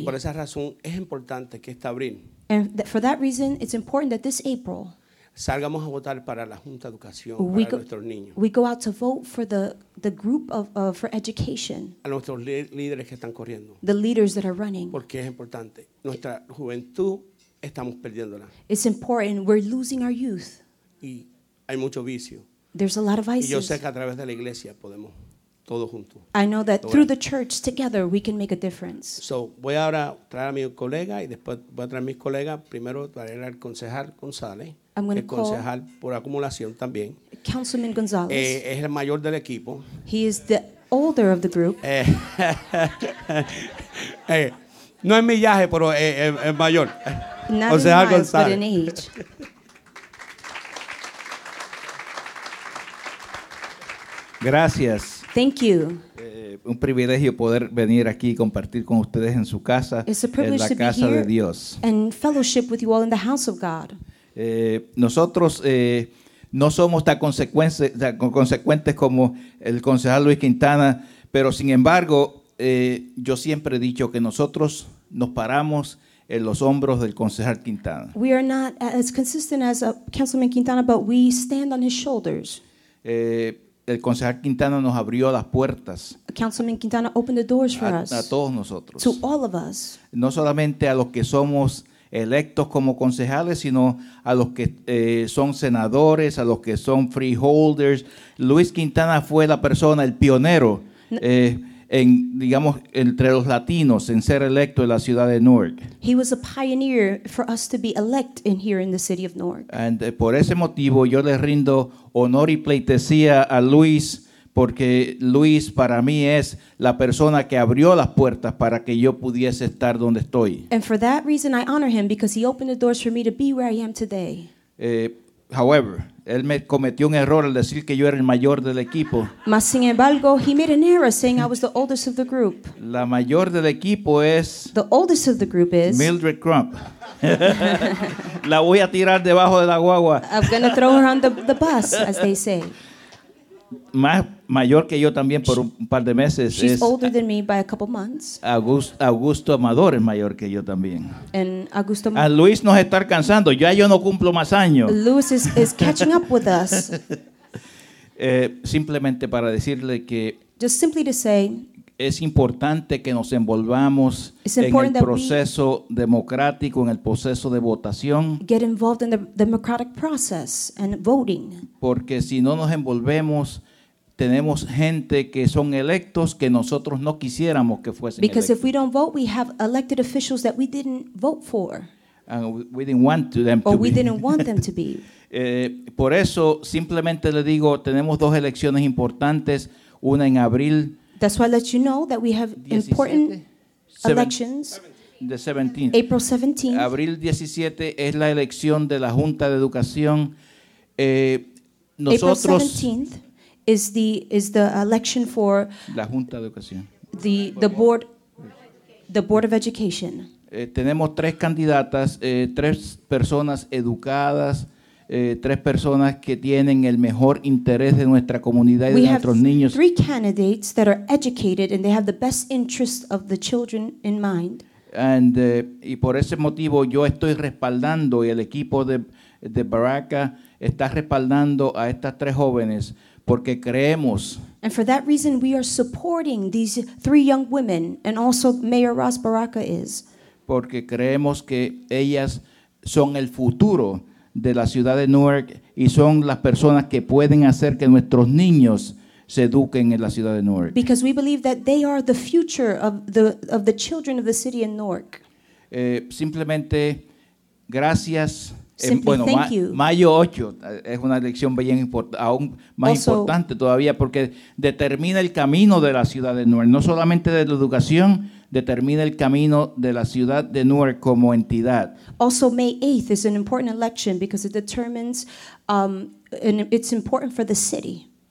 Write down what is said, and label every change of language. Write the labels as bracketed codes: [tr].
[es] Y por esa razón es importante que este abril. [en] And for that reason it's important that this April. [es] Salgamos a votar para la Junta de Educación para nuestros niños. [en] We go out to vote for the group of for education. [es] A nuestros líderes que están corriendo. [en] The leaders that are running. [es] Porque es importante. Nuestra juventud estamos perdiéndola. [en] It's important. We're losing our youth. [es] Y hay mucho vicio. [en] There's a lot of vices. [es] Y yo sé que a través de la iglesia podemos todos juntos. [en] I know that through the church together we can make a difference. [es] So voy ahora a traer a mi colega y después voy a traer a mis colegas. Primero traer al concejal González. [en] I'm going to [es] el concejal por acumulación también. [en] Councilman Gonzalez. [es] Es el mayor del equipo. [en] He is the older of the group. [es] No es millaje, pero es mayor. [en] Not concejal in miles, González. But in age. [es] Gracias. [en] Thank you. [es] Un privilegio poder venir aquí y compartir con ustedes en su casa, [en] it's a privilege [es] en la casa de Dios. [en] And fellowship with you all in the house of God. [es] Nosotros no somos tan consecuentes como el concejal Luis Quintana, pero sin embargo, yo siempre he dicho que nosotros nos paramos en los hombros del concejal Quintana. [en] We are not as consistent as Councilman Quintana, but we stand on his shoulders. [es] El concejal Quintana nos abrió las puertas. [en] Councilman Quintana opened the doors for us. [es] A todos nosotros. [en] To all of us. [es] No solamente a los que somos electos como concejales, sino a los que son senadores, a los que son freeholders. Luis Quintana fue la persona, el pionero, en digamos, entre los latinos, en ser electo en la ciudad de Newark. [en] He was a pioneer for us to be elect in here in the city of Newark. [es] And por ese motivo, yo le rindo honor y pleitesía a Luis, porque Luis para mí es la persona que abrió las puertas para que yo pudiese estar donde estoy. [en] And for that reason, I honor him because he opened the doors for me to be where I am today. [es] However, él me cometió un error al decir que yo era el mayor del equipo. Mas sin embargo, [en] he made an error saying I was the oldest of the group. [es] La mayor del equipo es. [en] The oldest of the group is. Mildred Crump. [es] La voy a tirar debajo de la guagua. [en] I'm gonna throw her on the bus, as they say. [es] Más mayor que yo también por un par de meses. [en] She's older than me by a couple months. [es] Augusto Amador es mayor que yo también. [en] And Augusto. [es] A Luis nos está alcanzando. Ya yo no cumplo más años. [en] Luis is catching up with us. [es] Simplemente para decirle que. [en] Just simply to say. [es] Es importante que nos envolvamos en el proceso democrático, en el proceso de votación. [en] Get involved in the democratic process and voting. [es] Porque si no nos envolvemos, tenemos gente que son electos que nosotros no quisiéramos que fuesen electos. [en] Because if we don't vote, we have elected officials that we didn't vote for. And we didn't want them to be. Or we didn't want them to be. [es] Por eso, simplemente le digo, tenemos dos elecciones importantes, una en abril. [en] That's why I let you know that we have important elections. The 17th. April 17th. [es] Abril 17 es la elección de la Junta de Educación. [en] April 17th is the election for [es] la Junta de Educación. [en] The Board of Education. [es] Tenemos tres candidatas, tres personas educadas. Tres personas que tienen el mejor interés de nuestra comunidad y [en] we [es] de nuestros niños. [en] Three candidates that are educated and they have the best interest of the children in mind. [es] And y por ese motivo yo estoy respaldando y el equipo de Baraka está respaldando a estas tres jóvenes porque creemos. [en] And for that reason we are supporting these three young women and also Mayor Ross Baraka is. [es] Porque creemos que ellas son el futuro de la ciudad de Newark y son las personas que pueden hacer que nuestros niños se eduquen en la ciudad de Newark. [en] Because we believe that they are the future of the children of the city in Newark. [es] Simplemente gracias [en] Simply thank you. [es] Mayo 8 es una elección bien importante, aún más also, importante todavía, porque determina el camino de la ciudad de Newark, no solamente de la educación, determina el camino de la ciudad de Newark como entidad. [en] Also, May 8th is an important election because it determines, and it's important for the city.